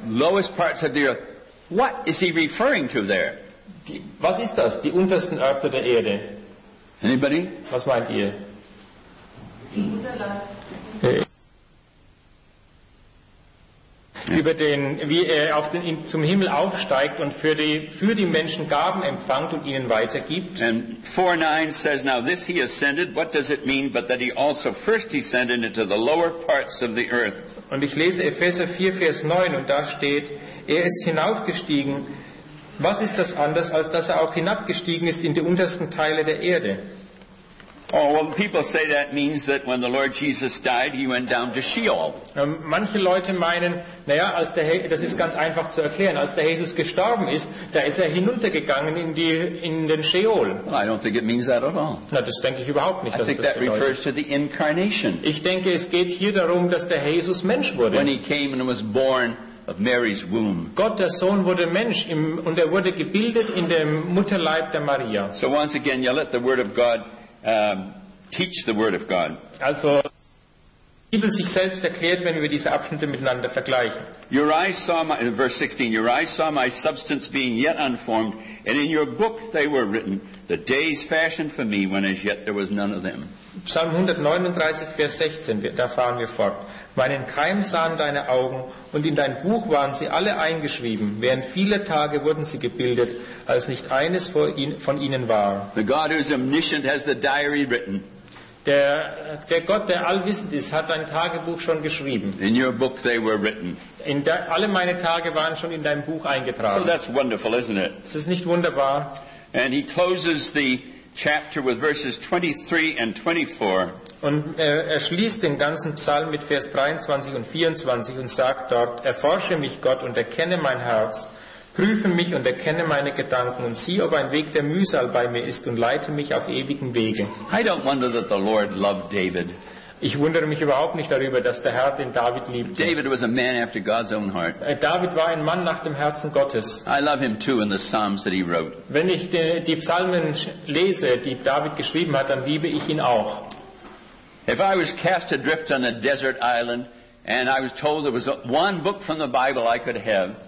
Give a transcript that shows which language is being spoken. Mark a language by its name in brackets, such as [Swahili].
[English] Lowest parts of the earth. What is he referring to there? [German] Was ist das? Die untersten Orten der Erde. [English] Anybody? [German] Was meint ihr? Über den, wie er zum Himmel aufsteigt und für die Menschen Gaben empfängt und ihnen weitergibt. [English] And 4:9 says, now this he ascended. What does it mean? But that he also first descended into the lower parts of the earth. [German] Und ich lese Epheser 4, Vers 9 und da steht, er ist hinaufgestiegen. Was ist das anders, als dass er auch hinabgestiegen ist in die untersten Teile der Erde? [English] Oh, well, people say that means that when the Lord Jesus died, he went down to Sheol. [German] Manche Leute meinen, naja, das ist ganz einfach zu erklären. Als der Jesus gestorben ist, da ist er hinuntergegangen in den Sheol. [English] Well, I don't think it means that at all. [German] Na, das denke ich überhaupt nicht. [English] I think that refers to the incarnation. [German] Ich denke, es geht hier darum, dass der Jesus Mensch wurde. [English] When he came and was born of Mary's womb. [German] Gott, der Sohn, wurde Mensch und er wurde gebildet in dem Mutterleib der Maria. [English] So once again, you let the word of God teach the word of God. [German] Also, die Bibel sich selbst erklärt, wenn wir diese Abschnitte miteinander vergleichen. [English] Your eyes saw my, in verse 16, your eyes saw my substance being yet unformed, and in your book they were written, the days fashioned for me when as yet there was none of them. [German] Psalm 139, Vers 16, da fahren wir fort. Meinen Keim sahen deine Augen, und in dein Buch waren sie alle eingeschrieben. Während vieler Tage wurden sie gebildet, als nicht eines von ihnen war. [English] The God who is omniscient has the diary written. [German] Der Gott, der allwissend ist, hat dein Tagebuch schon geschrieben. [English] In your book they were written. [German] Alle meine Tage waren schon in deinem Buch eingetragen. [English] So that's wonderful, isn't it? [German] Ist es nicht wunderbar? [English] And he closes the chapter with verses 23 and 24. [German] Und er schließt den ganzen Psalm mit Vers 23 und 24 und sagt dort: Erforsche mich, Gott, und erkenne mein Herz. Prüfe mich und erkenne meine Gedanken und sieh, ob ein Weg der Mühsal bei mir ist und leite mich auf ewigen Wegen. [English] I don't wonder that the Lord loved David. [German] Ich wundere mich überhaupt nicht darüber, dass der Herr den David liebte. [English] David was a man after God's own heart. [German] David war ein Mann nach dem Herzen Gottes. [English] I love him too in the Psalms that he wrote. [German] Wenn ich die Psalmen lese, die David geschrieben hat, dann liebe ich ihn auch. [English] If I was cast adrift on a desert island and I was told there was one book from the Bible I could have.